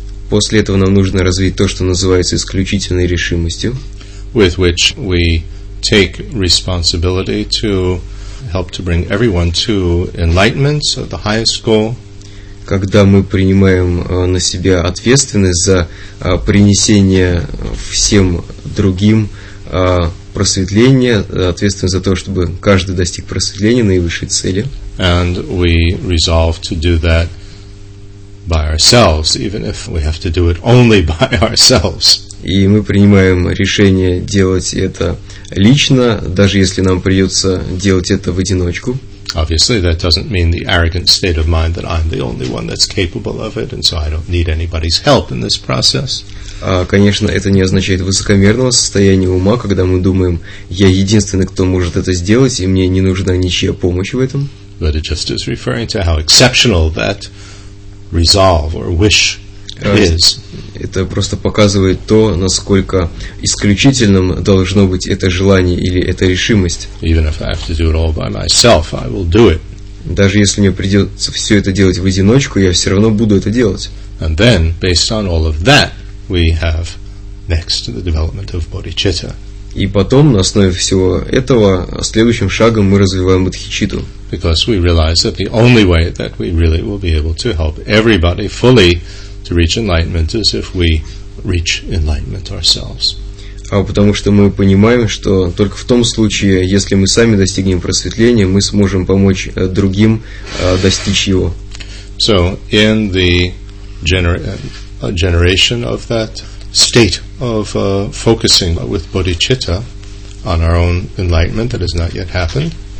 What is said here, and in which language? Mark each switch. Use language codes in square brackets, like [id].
[ru] После этого нам нужно развить то, что называется исключительной решимостью. [en] With which we take responsibility to help to bring everyone to enlightenment, so the highest goal. [ru] Когда мы принимаем на себя ответственность за принесение всем другим просветления, ответственность за то, чтобы каждый достиг просветления наивысшей цели. [en] And we resolve to do that by ourselves, even if we have to do it only by ourselves. [ru] И мы принимаем решение делать это лично, даже если нам придется делать это в одиночку. [en] Obviously, that doesn't mean the arrogant state of mind that I'm the only one that's capable of it, and so I don't need anybody's help in this process. [ru] Конечно, это не означает высокомерного состояния ума, когда мы думаем, я единственный, кто может это сделать, и мне не нужна ничья помощь в этом. [en] But it just is referring to how exceptional that resolve or wish is. [ru] Это просто показывает то, насколько исключительным должно быть это желание или эта решимость. [en] Even if I have to do it all by myself, I will do it. [ru] Даже если мне придется все это делать в одиночку, я все равно буду это делать. [en] And then, based on all of that, we have next the development of bodhicitta. [ru] И потом, на основе всего этого, следующим шагом мы развиваем бодхичитту. [en] Because we realize that the only way that we really will be able to help everybody fully to reach enlightenment is if we reach enlightenment ourselves. [ru] А потому что мы понимаем, что только в том случае, если мы сами достигнем просветления, мы сможем помочь другим достичь его. [en] So, in the generation of that state of focusing with bodhicitta on our own enlightenment that has not yet happened.